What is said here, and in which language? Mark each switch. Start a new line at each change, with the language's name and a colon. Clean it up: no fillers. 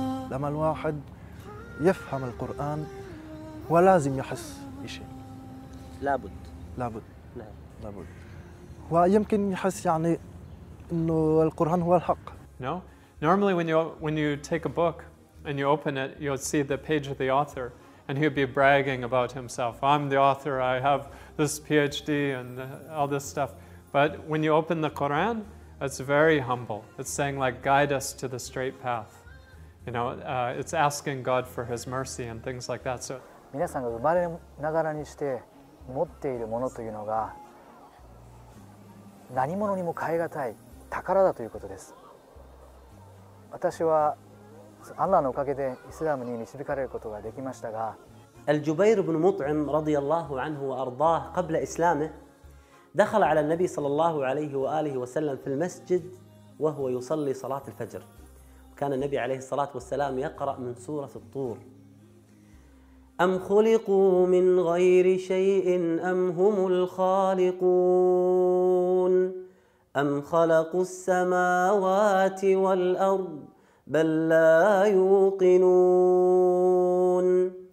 Arabic: لما الواحد يفهم القرآن ولازم يحس شيء لابد لابد نعم لابد ويمكن يحس يعني انه القرآن هو الحق
English: No normally when you take a book and you open it you'll see the page of the author and he'll be bragging about himself I'm the author I have this PhD and all this stuff but when you open the Quran it's very humble it's saying like guide us to the straight path You know, it's asking God for His mercy and things like that. So,
Japanese: 皆さんが生まれながらにして持っているものというのが何物にも代えがたい宝だということです。私はアラーのおかげでイスラムに導かれることができましたが、
Arabic: الجبير بن مطعم رضي الله عنه وأرضاه قبل إسلامه دخل على النبي صلى الله عليه وآله وسلم في المسجد وهو يصلي صلاة الفجر. كان النبي عليه الصلاة والسلام يقرأ من سورة الطور أم خلقوا من غير شيء أم هم الخالقون أم خلقوا السماوات والأرض بل لا يوقنون